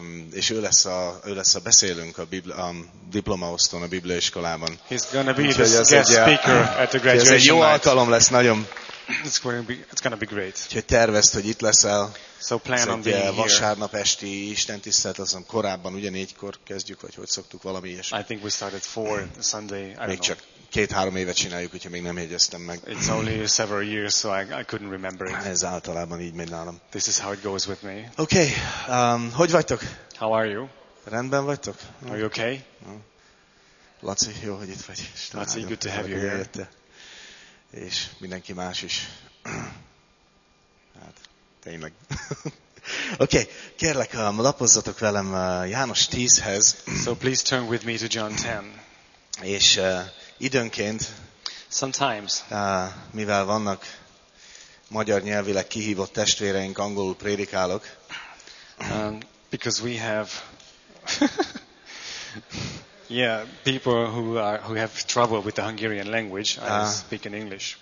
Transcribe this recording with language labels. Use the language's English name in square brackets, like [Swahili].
[Hungarian] És ő lesz a beszélünk a diplomaosztón a Bibliaiskolában. [English] He's gonna be the guest speaker at the graduation. [Hungarian] Ez egy jó alkalom lesz nagyon. [English] It's gonna be great. [Hungarian] Úgyhogy tervezd, hogy itt leszel. [English] So plan on being here. [Hungarian] Vasárnap esti istentisztelet, azon korábban ugyanígykor kezdjük, vagy hogy szoktuk valami ilyesmi. [English] I think we started 4 Sunday. [Hungarian] Még csak 2-3 éve csináljuk, úgyhogy még nem jegyeztem meg. [English] It's only several years, so I couldn't remember it. [Hungarian] Ez általában így megy nálam. [English] This is how it goes with me. [Hungarian] Okay, hogy vagytok? [English] How are you? [Hungarian] Rendben vagytok? [English] Are you okay? [Hungarian] Laci, jó, hogy itt vagy. [English] Laci, good to have you here. [Hungarian] És mindenki más is. Hát, tényleg. Okay, kérlek, lapozzatok velem János 10-hez. [English] So please turn with me to John 10. [Hungarian] És időnként, [English] sometimes, [Hungarian] mivel vannak magyar nyelvileg kihívott testvéreink angolul prédikálok. [English] Because we have yeah, people who have trouble with the Hungarian language, I speak in English.